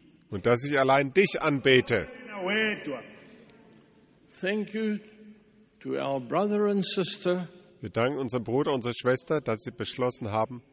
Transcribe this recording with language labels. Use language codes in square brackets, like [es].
[de] Und dass ich allein dich anbete. [en] Thank you to our brother and sister. [de] Wir danken unserem Bruder und unserer Schwester, dass sie beschlossen haben,